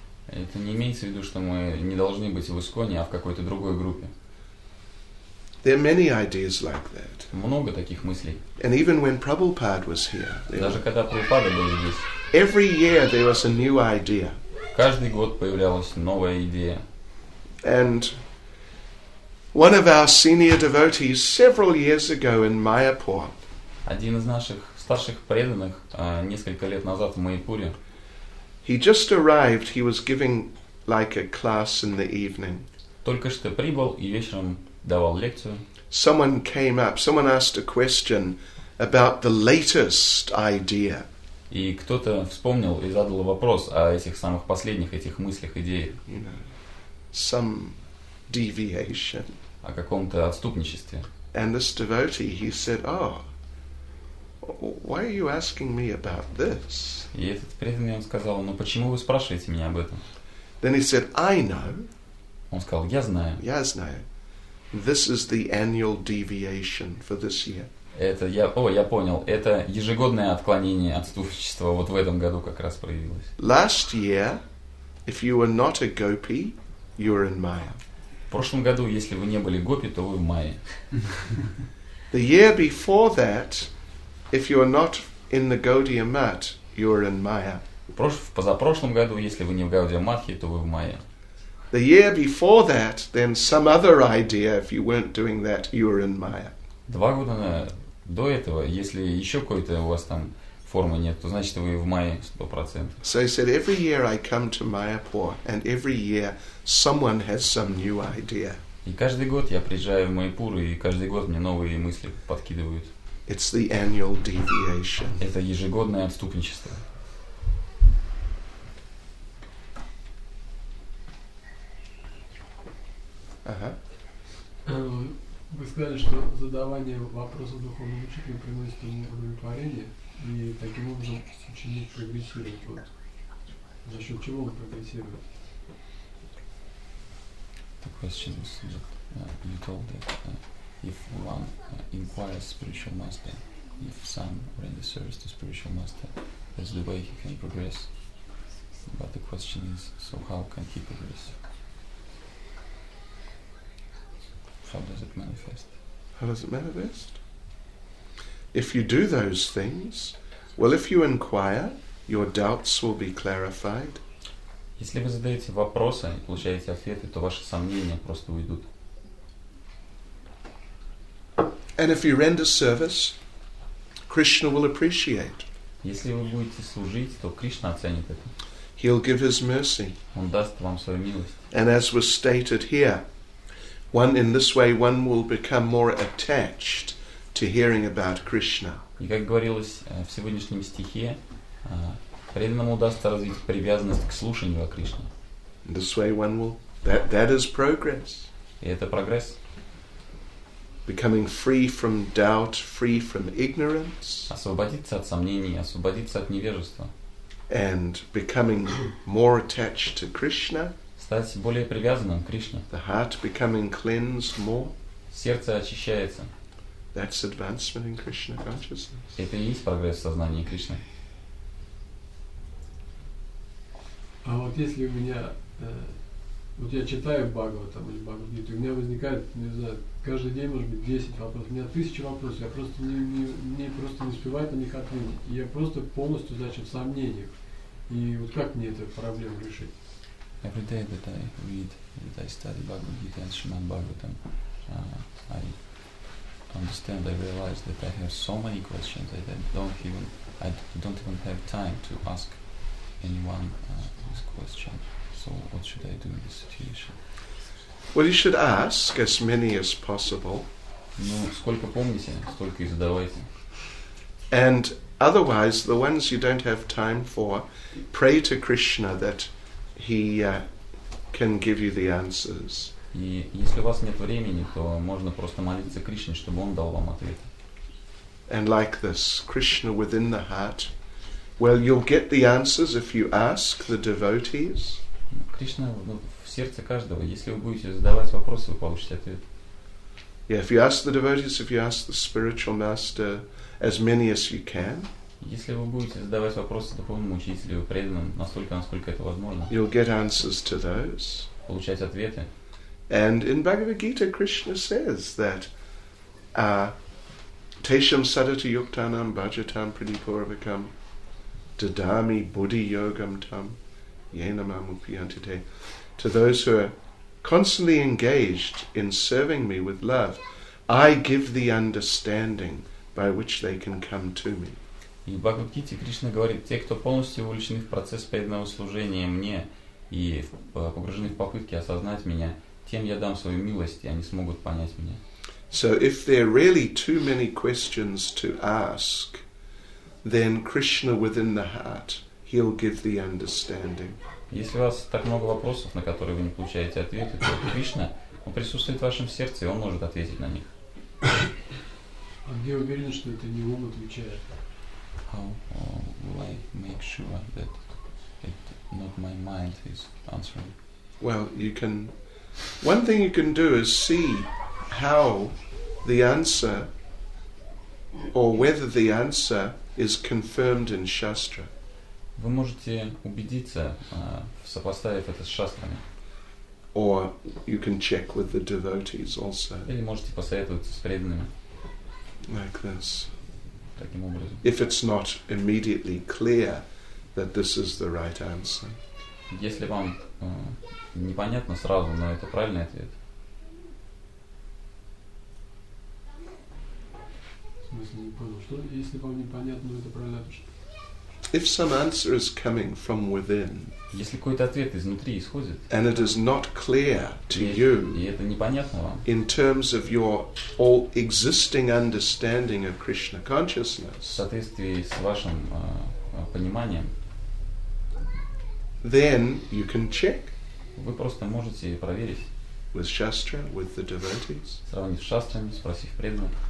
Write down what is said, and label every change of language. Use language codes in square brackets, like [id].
[ru] Это не имеется в виду, что мы не должны быть в ИСККОНе, а в какой-то другой группе. [en] There are many ideas like that. [ru] Много таких мыслей. [en] And even when Prabhupada was here. [ru] Даже когда Прабхупада был здесь. [en] Every year there was a new idea. [ru] Каждый год появлялась новая идея. [en] And one of our senior devotees several years ago in Mayapur. [ru] Один из наших старших преданных несколько лет назад в Майяпуре. [en] He just arrived. He was giving like a class in the evening. [ru] Только что прибыл и вечером давал лекцию. [en] Someone came up. Someone asked a question about the latest idea. [ru] И кто-то вспомнил и задал вопрос о этих самых последних этих мыслях, идеях. [en] You know, some deviation. [ru] О каком-то отступничестве. [en] And this devotee, he said, "Oh, why are you asking me about this?" [ru] И этот преданный сказал, "Ну почему вы спрашиваете меня об этом?" [en] Then he said, "I know." [ru] Он сказал, "Я знаю." Я знаю. [en] This is the annual deviation for this year. [ru] Это я, о, я понял. Это ежегодное отклонение отступничества вот в этом году как раз проявилось. [en] Last year, if you were not a gopi, you were in Maya. [ru] В прошлом году, если вы не были гопи, то вы в мае. [en] The year before that, if you are not in the Gaudiya Mutt, you are in Maya. [ru] В позапрошлом году, если вы не в Gaudiya Mutt, то вы в мае. [en] The year before that, then some other idea, if you weren't doing that, you are in Maya. [ru] Два года до этого, если еще какой-то у вас там формы нет, то значит вы в мае 100%. [en] So he said, every year I come to Mayapur, and every year someone has some new idea. [ru] И каждый год я приезжаю в Майяпур, и каждый год мне новые мысли подкидывают. [en] It's the annual deviation. [ru] Это ежегодное отступничество. Вы сказали, что задавание вопроса духовному учителю приносит ему удовлетворение. И таким образом ученик прогрессирует. Вот. За счет чего он прогрессирует? [en] The question is that you told that if one inquires spiritual master, if some render service to spiritual master, that's the way he can progress. But the question is, so how can he progress? How does it manifest? How does it manifest? If you do those things, well, if you inquire, your doubts will be clarified. [ru] Если вы задаете вопросы и получаете ответы, то ваши сомнения просто уйдут. [en] And if you render service, Krishna will appreciate. [ru] Если вы будете служить, то Кришна оценит это. [en] He'll give his mercy. [ru] Он даст вам свою милость. [en] And as was stated here, One in this way, one will become more attached to hearing about Krishna. [ru] И как говорилось в сегодняшнем стихе, преданному удастся развить привязанность к слушанию о Кришне. [en] This way, one will. That is progress. [ru] И это прогресс. [en] Becoming free from doubt, free from ignorance. [ru] Освободиться от сомнений, освободиться от невежества. [en] And becoming more attached to Krishna. [ru] Стать более привязанным к Кришне. [en] The heart becoming cleansed more. [ru] Сердце очищается. [en] That's advancement in Krishna consciousness. [ru] Это и есть прогресс в сознании Кришны. А вот если у меня, вот я читаю Бхагаватам или Бхагавад-гиту, у меня возникает, не знаю, каждый день может быть 10 вопросов, у меня 1000 вопросов, я просто не успеваю на них ответить, я просто полностью, значит, в сомнениях. И вот как мне эту проблему решить? [en] Every day that I read, that I study Bhagavad-gita and Shrimad Bhagavatam, I understand, I realize that I have so many questions that I don't even have time to ask anyone this question. So what should I do in this situation? Well, you should ask as many as possible. [ru] Ну, сколько помните, столько и задавайте. [en] And otherwise, the ones you don't have time for, pray to Krishna that he can give you the answers. [ru] И если у вас нет времени, то можно просто молиться Кришне, чтобы он дал вам ответ. [en] And like this, Krishna within the heart. Well, you'll get the answers if you ask the devotees. [ru] Кришна в сердце каждого. Если вы будете задавать вопросы, вы получите ответ. [en] Yeah, if you ask the devotees, if you ask the spiritual master, as many as you can. [ru] Если вы будете задавать вопросы духовному учителю, преданным, настолько, насколько это возможно. [en] You'll get answers to those. [ru] Получать ответы. [en] And in Bhagavad Gita, Krishna says that [sa] Tesham Sadati Yuktanam Bhajatam Pradipuravakam Dadami Buddhi Yogam Tam Yenamam Upiyantite. [en] To those who are constantly engaged in serving me with love, I give the understanding by which they can come to me. [ru] И в Bhagavad Gita Krishna говорит, те, кто полностью увлечены в процесс преданного служения мне и погружены в попытки осознать меня, тем я дам свою милость, и они смогут понять меня. [en] So if there are really too many questions to ask, then Krishna within the heart, he'll give the understanding. [ru] Если у вас так много вопросов, на которые вы не получаете ответы, то Кришна, он присутствует в вашем сердце, и он может ответить на них. А где уверен, что это не ум отвечает? [en] How will I make sure that it not my mind is answering? Well, you can. One thing you can do is see how the answer or whether the answer is confirmed in Shastra. [ru] Вы можете убедиться, сопоставив это с шастрами. [en] Or you can check with the devotees also. [ru] Или можете посоветоваться с преданными. [en] Like this. [ru] Таким образом. [en] If it's not immediately clear that this is the right answer. [ru] Если вам непонятно сразу, но это правильный ответ. В смысле, не понял. Что, если вам непонятно, но это правильный ответ? [en] If some answer is coming from within, [ru] если какой-то ответ изнутри исходит, [en] and it is not clear to you, [ru] и это непонятно вам, [en] in terms of your all existing understanding of Krishna consciousness, [ru] в соответствии с вашим пониманием, [en] then you can check. [ru] Вы просто можете проверить. [en] With Shastra, with the devotees. [ru] Сравнив с шастрами, спросив преданных.